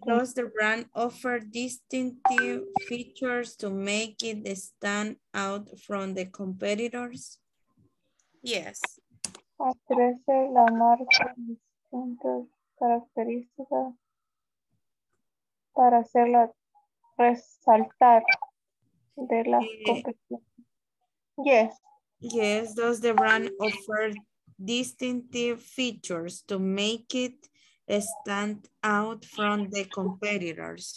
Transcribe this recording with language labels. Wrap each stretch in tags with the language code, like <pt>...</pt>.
<en>Does the brand offer distinctive features to make it stand out from the competitors? Yes.</en> <es>Ofrece la marca distintas características para hacerla resaltar de la competición. Yes.</es> <en>Yes, does the brand offer distinctive features to make it stand out from the competitors?</en>